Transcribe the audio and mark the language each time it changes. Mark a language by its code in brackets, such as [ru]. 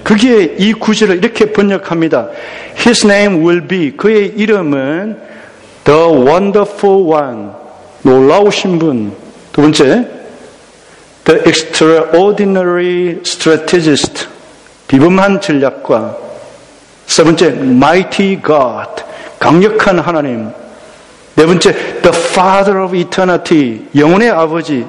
[ko] 거기에 이 구절을 이렇게 번역합니다. [en] His name will be, [ko] 그의 이름은 [en] The Wonderful One, [ko] 놀라우신 분. 두 번째, [en] The Extraordinary Strategist, [ko] 비범한 전략과. 세 번째, [en] Mighty God, [ko] 강력한 하나님. 네 번째, [en] The Father of Eternity, [ko] 영혼의 아버지.